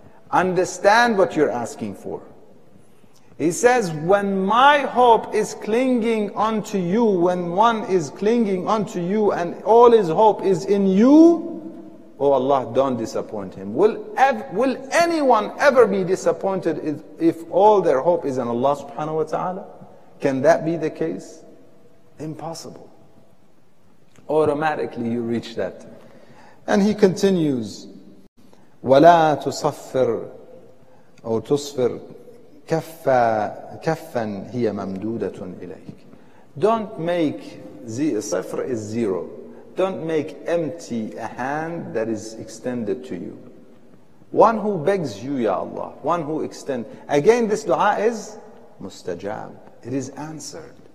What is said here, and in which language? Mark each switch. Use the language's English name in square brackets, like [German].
[English] Understand what you're asking for. He says, when my hope is clinging unto you, when one is clinging unto you and all his hope is in you, oh Allah, don't disappoint him. Will anyone ever be disappointed if all their hope is in Allah subhanahu wa ta'ala? Can that be the case? Impossible. Automatically you reach that. And he continues, [Arabic] وَلَا تُصَفِّرْ أَوْ تُصْفِرْ كَفًّا هِيَ مَمْدُودَةٌ إِلَيْكَ. [English] Don't make صفر is zero. Don't make empty a hand that is extended to you. One who begs you, Ya Allah, one who extends. Again, this dua is mustajab. It is answered.